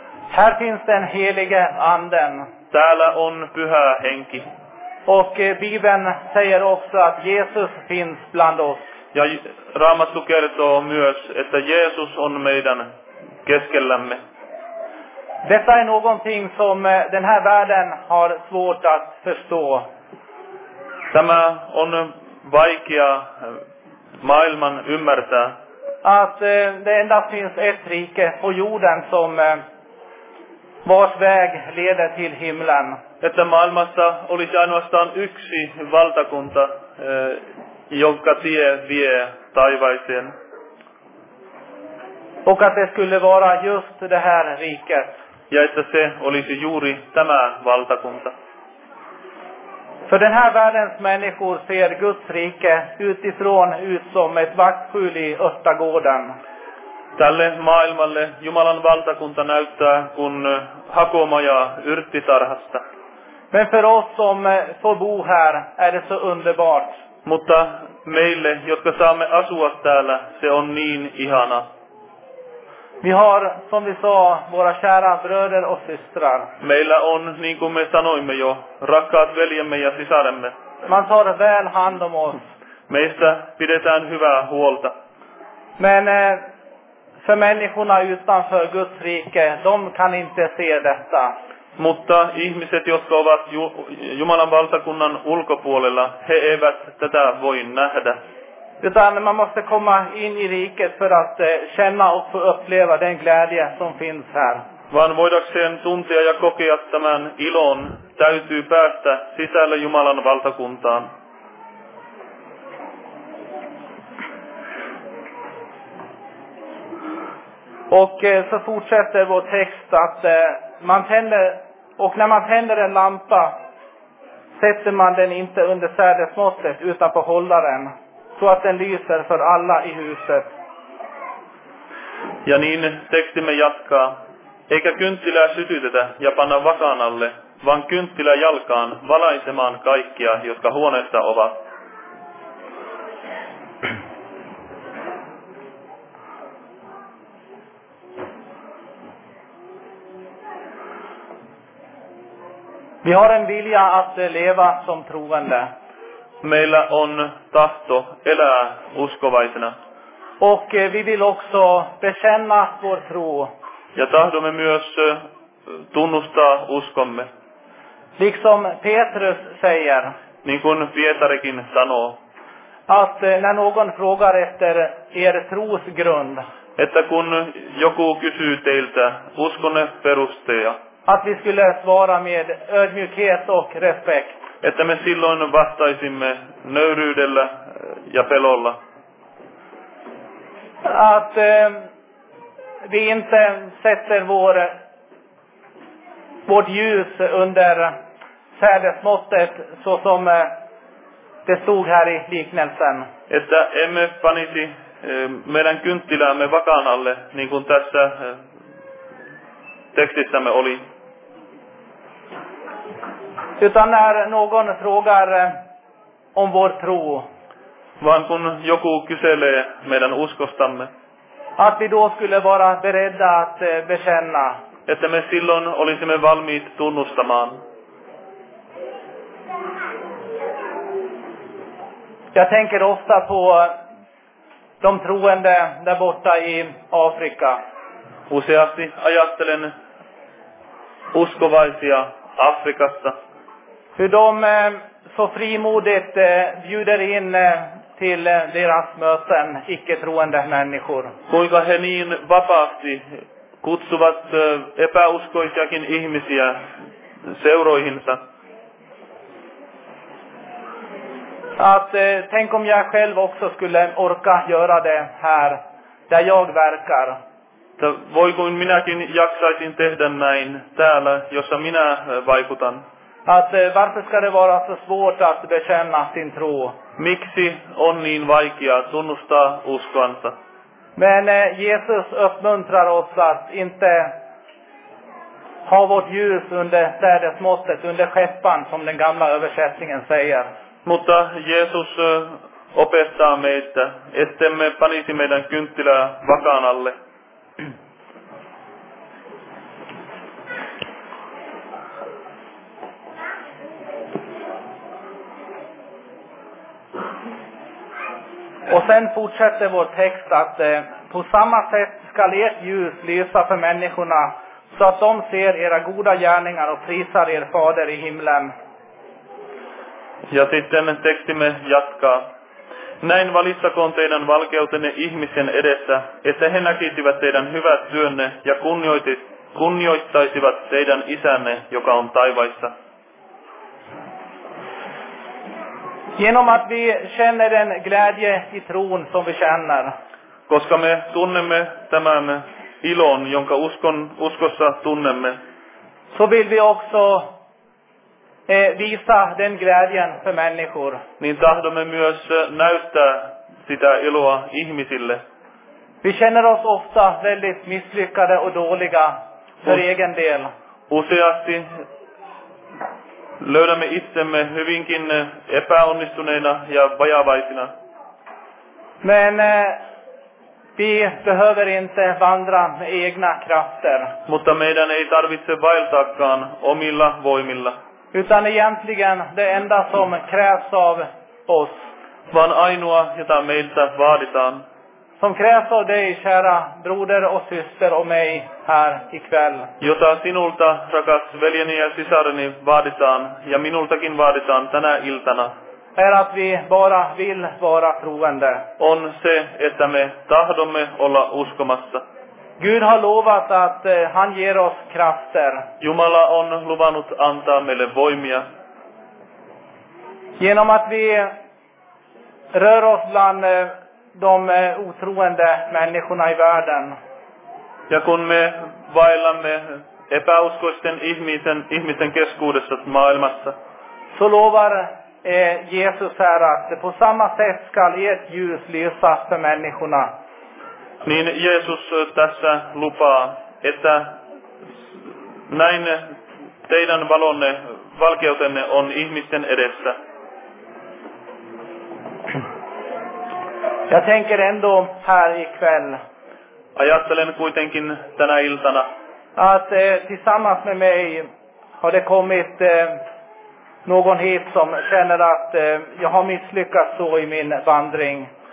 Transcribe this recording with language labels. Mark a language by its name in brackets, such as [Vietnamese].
[Swedish] Här finns den helige anden. [Finnish] Täällä on pyhä henki. [Swedish] Och Bibeln säger också att Jesus finns bland oss. [Finnish] Ja Raamattu kertoo myös, että Jeesus on meidän keskellämme. [Swedish] Detta är någonting som den här världen har svårt att förstå. [Finnish] Tämä on vaikea maailman ymmärtää. [Swedish] Att det endast finns ett rike på jorden som vars väg leder till himlen. [Finnish] Että maailmassa olisi ainoastaan yksi valtakunta, jonka tie vie taivaiseen. [Swedish] Och att det skulle vara just det här riket. [Finnish] Ja että se olisi juuri tämä valtakunta. [Swedish] För den här världens människor ser Guds rike utifrån ut som ett vaktskjul i örtagården. [Finnish] Tälle maailmalle Jumalan valtakunta näyttää kun hakomaja yrttitarhasta. [Swedish] Men för oss som får bo här är det så underbart. [Finnish] Mutta meille, jotka saamme asua täällä, se on niin ihana. [Swedish] Vi har, som vi sa, våra kära bröder och systrar. [Finnish] Meillä on, niin kuin me sanoimme jo, rakkaat veljemme ja sisaremme. [Swedish] Man tar väl hand om oss. [Finnish] Meistä pidetään hyvää huolta. [Swedish] Men för människorna utanför Guds rike, de kan inte se detta. [Finnish] Mutta ihmiset, jotka ovat Jumalan valtakunnan ulkopuolella, he eivät tätä voi nähdä. [Swedish] Utan man måste komma in i riket för att känna och få uppleva den glädje som finns här. [Finnish] Vaan voidakseen tuntia ja kokea tämän ilon, täytyy päästä sisälle Jumalan valtakuntaan. [Swedish] Och så fortsätter vår text att man tänder, och när man tänder en lampa sätter man den inte under sädesmåttet utan på hållaren. Så att den lyser för alla i huset. [Finnish] Ja niin tekstimme jatkaa. Eikä kynttilää sytytetä ja panna vasan alle, vaan kynttilä jalkaan valaisemaan kaikkia, jotka huoneessa ovat. [Swedish] Vi har en vilja att leva som troende. [Finnish] Meillä on tahto elää uskovaisena. [Swedish] Och vi vill också bekänna vår tro. [Finnish] Ja tahdomme myös tunnustaa uskomme. [Swedish] Liksom Petrus säger. [Finnish] Niin kuin Pietarikin sanoo. [Swedish] Att när någon frågar efter er tros grund. [Finnish] Että kun joku kysyy teiltä uskonne perusteja. [Swedish] Att vi skulle svara med ödmjukhet och respekt. [Finnish] Että me silloin vastaisimme nöyryydellä ja pelolla. [Swedish] Att vi inte sätter vårt ljus under sädesmåttet så som det stod här i liknelsen. [Finnish] Että emme panisi meidän kynttilämme vakaan alle, niin kuin tässä tekstissämme oli. [Swedish] Utan när någon frågar om vår tro. [Finnish] Vaan kun joku kyselee meidän uskostamme. [Swedish] Att vi då skulle vara beredda att bekänna. [Finnish] Että me silloin olisimme valmiit tunnustamaan. [Swedish] Jag tänker ofta på de troende där borta i Afrika. [Finnish] Useasti ajattelen uskovaisia Afrikassa. [Swedish] Hur de så frimodigt bjuder in till deras möten icke-troende människor. [Finnish] Kuinka he niin vapaasti kutsuvat epäuskoisiakin ihmisiä seuroihinsa. [Swedish] Att tänk om jag själv också skulle orka göra det här där jag verkar. [Finnish] Voi kun minäkin jaksaisin tehdä näin täällä, jossa minä vaikutan. [Swedish] Att varför ska det vara så svårt att bekänna sin tro? [Finnish] Miksi on niin vaikea tunnustaa uskoansa? [Swedish] Men Jesus uppmuntrar oss att inte ha vårt ljus under städets måttet, under skeppan, som den gamla översättningen säger. [Finnish] Mutta Jeesus opettaa meitä, ettemme panisi meidän kynttilää vakaan alle. [Swedish] Och sen fortsätter vår text att på samma sätt ska ert ljus lysa för människorna så att de ser era goda gärningar och prisar er fader i himlen. [Finnish] Ja sitten tekstimme jatkaa. Näin valistakoon teidän valkeutenne ihmisen edessä, että he näkisivät teidän hyvät työnne ja kunnioittaisivat teidän isänne, joka on taivaissa. [Swedish] Genom att vi känner den glädje i tron som vi känner. [Finnish] Koska me tunnemme tämän ilon, jonka uskossa tunnemme. [Swedish] Så vill vi också visa den glädjen för människor. [Finnish] Niin tahdomme myös näyttää sitä iloa ihmisille. [Swedish] Vi känner oss ofta väldigt misslyckade och dåliga för egen del. [Finnish] Useasti löydämme itsemme hyvinkin epäonnistuneina ja vajavaisina. [Swedish] Men vi behöver inte vandra med egna krafter. [Finnish] Mutta meidän ei tarvitse vaeltaakaan omilla voimilla. [Swedish] Utan egentligen det enda som krävs av oss. [Finnish] Vaan ainoa, jota meiltä vaaditaan. [Swedish] Som krävs av dig, kära broder och syster och mig här ikväll. [Finnish] Jota sinulta, rakas veljeni ja sisareni, vaaditaan ja minultakin vaaditaan tänä iltana. [Swedish] Är att vi bara vill vara troende. [Finnish] On se, että me tahdomme olla uskomassa. [Swedish] Gud har lovat att han ger oss krafter. [Finnish] Jumala on luvannut antaa meille voimia. [Swedish] Genom att vi rör oss bland de otroende människorna i världen. [Finnish] Ja kun me vaellamme epäuskoisten ihmisten keskuudessa maailmassa. [Swedish] Så lovar Jesus här att på samma sätt ska ert ljus lysa för människorna. [Finnish] Niin Jeesus tässä lupaa, että näin teidän valonne, valkeutenne on ihmisten edessä. [Swedish] Jag tänker ändå här ikväll. [Finnish] Ajattelen kuitenkin tänä iltana. [Swedish] Att tillsammans med mig har det kommit någon hit som känner att jag har misslyckats så i min vandring.